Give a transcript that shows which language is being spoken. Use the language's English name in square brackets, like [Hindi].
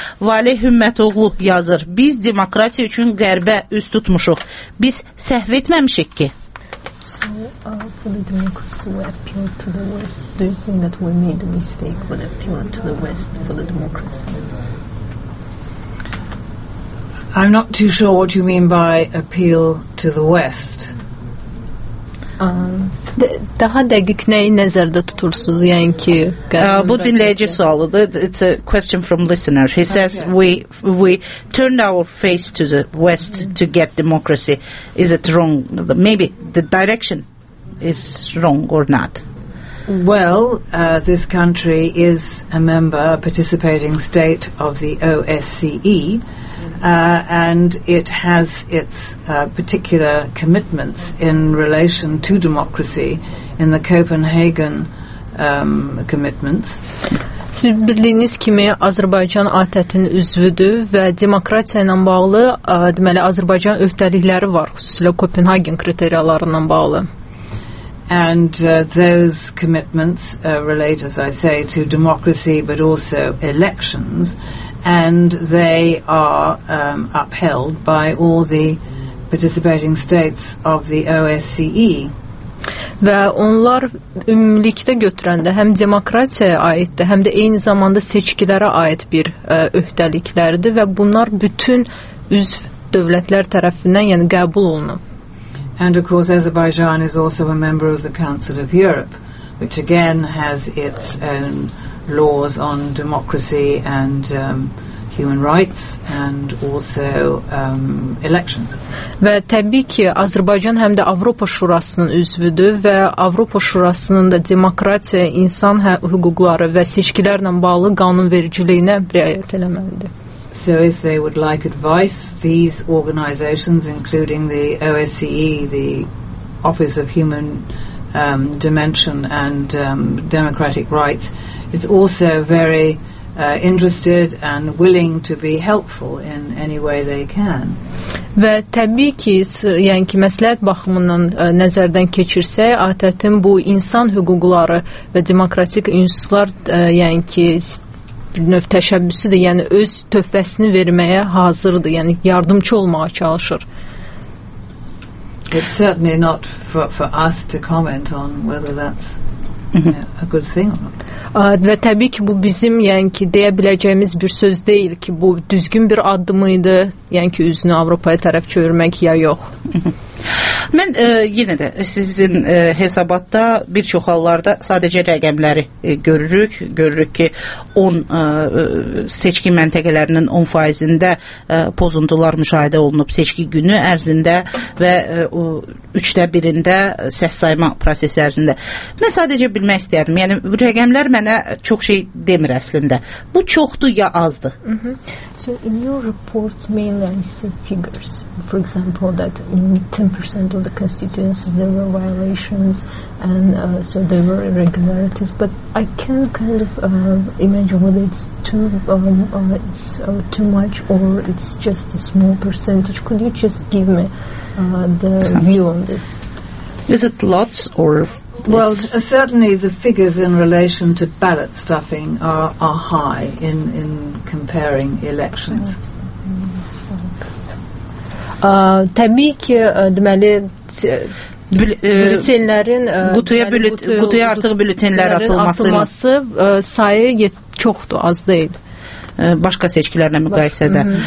[Azerbaijani] Valeh Hümmətoğlu yazır, biz demokratiya üçün qərbə üst tutmuşuq, biz səhv etməmişik ki. [English] For the democracy we appealed to the West. Do you think that we made a mistake when appealing to the West for the democracy? I'm not too sure what you mean by appeal to the West. [Azerbaijani] Daha dəqiq nəyi nəzərdə tutursunuz? Yəni ki, bu dinləyici sualıdır. [English] It's a question from listener. He says we turned our face to the West to get democracy. Is it wrong? Maybe the direction is wrong or not? Well, this country is a member, a participating state of the OSCE, And it has its particular commitments in relation to democracy in the Copenhagen commitments. [Azerbaijani] Siz bildiyiniz kimi Azərbaycan ATƏT-in üzvüdür və demokratiya ilə bağlı deməli Azərbaycan öhdəlikləri var, xüsusilə Kopenhagen kriteriyalarından bağlı. [English] And those commitments relate, as I say, to democracy but also elections, and they are upheld by all the participating states of the OSCE. [Azerbaijani] Və onlar ümumilikdə götürəndə həm demokratiyaya aiddir, həm də eyni zamanda seçkilərə aid bir öhdəliklərdir və bunlar bütün üzv dövlətlər tərəfindən, yəni qəbul olunub. [English] And of course Azerbaijan is also a member of the Council of Europe, which again has its own laws on democracy and human rights and also elections. [Azerbaijani] Və təbii ki, Azərbaycan həm də Avropa Şurasının üzvüdür və Avropa Şurasının da demokratiya, insan hüquqları və seçkilərlə bağlı qanunvericiliyinə riayət etməlidir. [English] So if they would like advice, these organizations, including the OSCE, the Office of Human Dimension and Democratic Rights, is also very interested and willing to be helpful in any way they can. [Azerbaijani] Və təbii ki, yəni ki, məsləhət baxımından nəzərdən keçirsək, ATƏT-in bu insan hüquqları və demokratik insular yəni ki, bir növ təşəbbüsüdür, yəni öz töhfəsini verməyə hazırdır, yəni yardımcı olmağa çalışır. [English] It's certainly not for us to comment on whether that's a good thing or not. [Azerbaijani] Və təbii ki, bu bizim, yəni ki, deyə biləcəyimiz bir söz deyil ki, bu düzgün bir addımıydı, yəni ki, üzünü Avropaya tərəf çevirmək ya yox. Mən yenə də sizin hesabatda bir çox hallarda sadəcə rəqəmləri görürük. Görürük ki, 10 seçki məntəqələrinin 10%-ində pozuntular müşahidə olunub seçki günü ərzində və 3-də 1-də səs sayma prosesi ərzində. Mən sadəcə bilmək istəyərdim. Yəni, rəqəmlər mənə çox şey demir əslində. Bu çoxdur ya azdır? [English] So in your report mainly I see figures, for example, that in 10% of the constituencies there were violations and so there were irregularities, but I can't kind of imagine whether it's too much or it's just a small percentage. Could you just give me the view on this? Is it lots or... Well, certainly the figures in relation to ballot stuffing are high in comparing elections. [Azerbaijani] Təbii ki, deməli, bülütenlərin... Qutuya artıq bülütenlər atılması sayı çoxdur, az deyil. Başqa seçkilərlə müqayisədə.